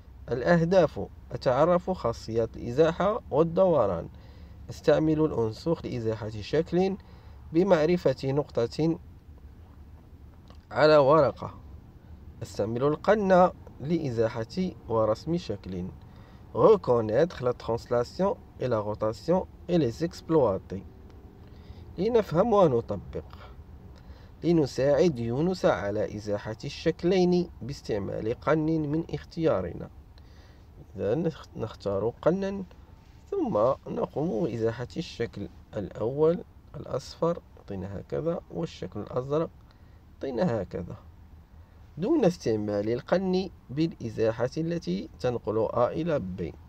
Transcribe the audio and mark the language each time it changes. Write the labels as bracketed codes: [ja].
[ar] الأهداف: أتعرف خاصيات الإزاحة والدوران. استعمل الأنسخ لإزاحة شكل بمعرفة نقطة على ورقة. استعمل القنا لإزاحة ورسم شكل. [fr] reconnaître la translation et la rotation et les exploiter. [ar] لنفهم ونطبق. لنساعد يونس على إزاحة الشكلين باستعمال قن من اختيارنا. إذا نختار قنا ثم نقوم بإزاحة الشكل الأول الأصفر، طين هكذا، والشكل الأزرق، طين هكذا، دون استعمال القن بالإزاحة التي تنقل A إلى B.